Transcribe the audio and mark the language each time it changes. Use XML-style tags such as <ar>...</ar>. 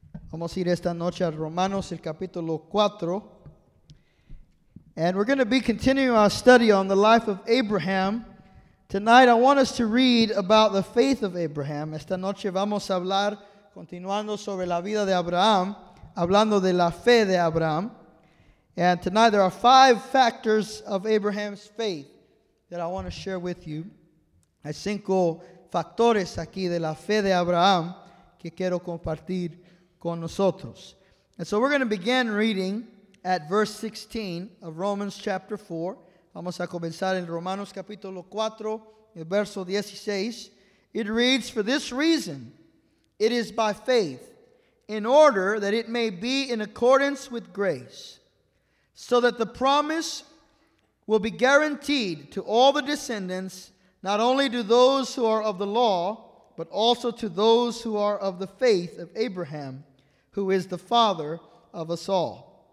<es>Vamos a ir esta noche a Romanos, el capítulo 4.</es> <en>And we're going to be continuing our study on the life of Abraham. Tonight, I want us to read about the faith of Abraham.</en> <es>Esta noche vamos a hablar, continuando sobre la vida de Abraham, hablando de la fe de Abraham.</es> <en>And tonight, there are five factors of Abraham's faith that I want to share with you.</en> <es>Hay cinco factores aquí de la fe de Abraham que quiero compartir con nosotros.</es> <en>And so we're going to begin reading at verse 16 of Romans chapter 4.</en> <es>Vamos a comenzar en Romanos capítulo 4, el verso 16.</es> <en>It reads, "For this reason, it is by faith, in order that it may be in accordance with grace, so that the promise will be guaranteed to all the descendants, not only to those who are of the law, but also to those who are of the faith of Abraham, who is the father of us all.</en>